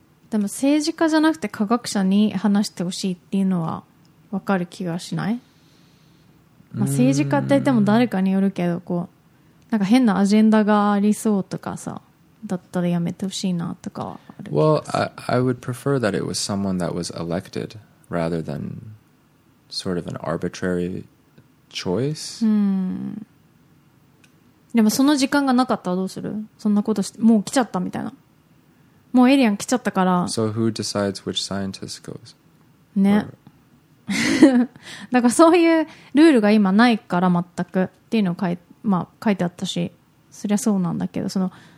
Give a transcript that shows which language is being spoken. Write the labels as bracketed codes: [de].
[ja] でも政治家じゃなくて科学者に話してほしいっていうのは分かる気がしない？まあ、政治家って言っても誰かによるけど、こうなんか変なアジェンダがありそうとかさ、だったらやめてほしいなとかはある [en] Well, I would prefer that it was someone that was elected rather than sort of an arbitrary choice. [ja] でもその時間がなかったらどうする？そんなことしてもう来ちゃったみたいな、もうエリアン来ちゃったから。 [en] So who decides which scientist goes? [ja] ね、 [en] or... [ja] だからそういうルールが今ないから、全くっていうのを書いてあったし、そりゃそうなんだけど、その